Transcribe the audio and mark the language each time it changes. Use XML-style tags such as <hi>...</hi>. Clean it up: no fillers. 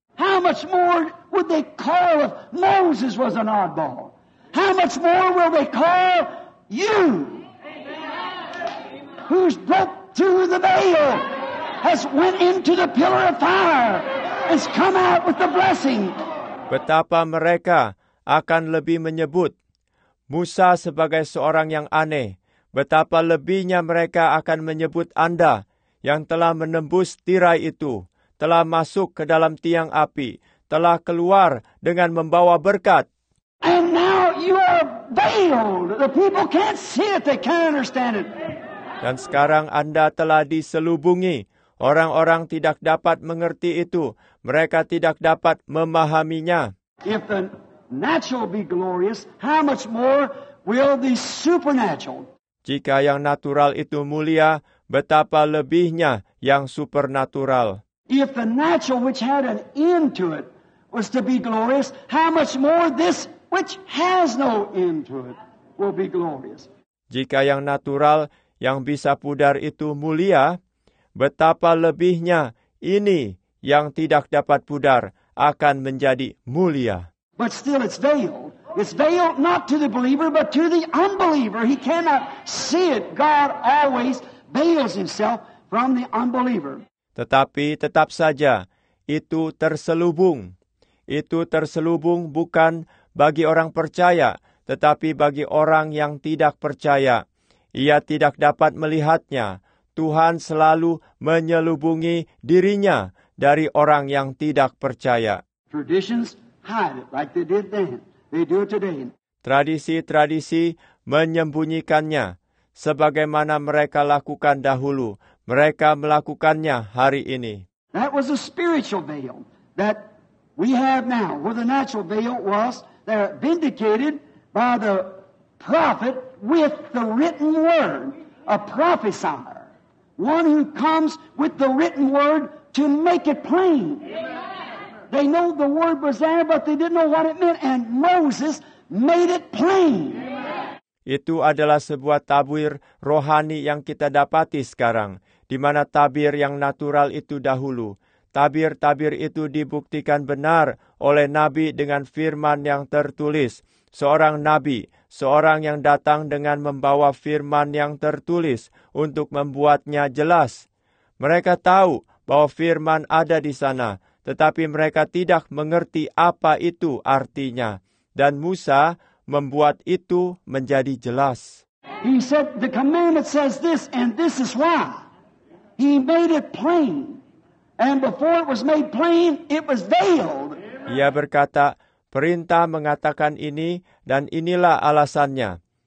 <en>How much more would they call if Moses was an oddball? How much more will they call you? Amen. Who's broke through the veil, has went into the pillar of fire, has come out with the blessing.</en> <id>Betapa mereka akan lebih menyebut Musa sebagai seorang yang aneh. Betapa lebihnya mereka akan menyebut Anda yang telah menembus tirai itu, telah masuk ke dalam tiang api, telah keluar dengan membawa berkat.</id> <en>And now you are veiled. The people can't see it. They can't understand it.</en> <id>Dan sekarang Anda telah diselubungi. Orang-orang tidak dapat mengerti itu. Mereka tidak dapat memahaminya.</id> <en>If the natural be glorious, how much more will the supernatural?</en> <id>Jika yang natural itu mulia, betapa lebihnya yang supernatural.</id> <en>If the natural which had an end to it was to be glorious, how much more this which has no end to it will be glorious.</en> <id>Jika yang natural yang bisa pudar itu mulia, betapa lebihnya ini yang tidak dapat pudar akan menjadi mulia.</id> <en>But still it's veiled. It's veiled not to the believer, but to the unbeliever. He cannot see it. God always veils himself from the unbeliever.</en> <id>Tetapi tetap saja, itu terselubung. Itu terselubung bukan bagi orang percaya, tetapi bagi orang yang tidak percaya. Ia tidak dapat melihatnya. Tuhan selalu menyelubungi dirinya dari orang yang tidak percaya.</id> <en>Traditions hide it like they did then. They do today.</en> <id>Tradisi-tradisi menyembunyikannya sebagaimana mereka lakukan dahulu. Mereka melakukannya hari ini.</id> <en>That was a spiritual veil that we have now, where the natural veil was there vindicated by the prophet with the written word, a prophesier, one who comes with the written word to make it plain. Amen. They know the word was there, but they didn't know what it meant, and Moses made it plain. Amen.</en> <id>Itu adalah sebuah tabir rohani yang kita dapati sekarang, di mana tabir yang natural itu dahulu. Tabir-tabir itu dibuktikan benar oleh Nabi dengan firman yang tertulis. Seorang Nabi, seorang yang datang dengan membawa firman yang tertulis untuk membuatnya jelas. Mereka tahu bahwa firman ada di sana, tetapi mereka tidak mengerti apa itu artinya. Dan Musa membuat itu menjadi jelas.</id> <en>He said, the commandment says this, and this is why. He made it plain. And before it was made plain, it was veiled.</en> <id>Ia berkata, perintah mengatakan ini, dan inilah alasannya.</id>